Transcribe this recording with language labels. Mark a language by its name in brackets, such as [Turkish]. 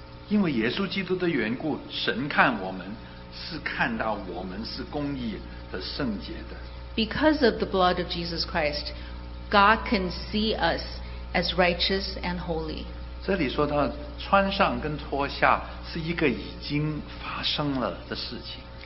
[Chinese] 因为耶稣基督的缘故，神看我们是看到我们是公义和圣洁的。 [English] Because of the blood of Jesus Christ, God can see us as righteous and holy. [Chinese] 这里说到穿上跟脱下是一个已经发生了的事情。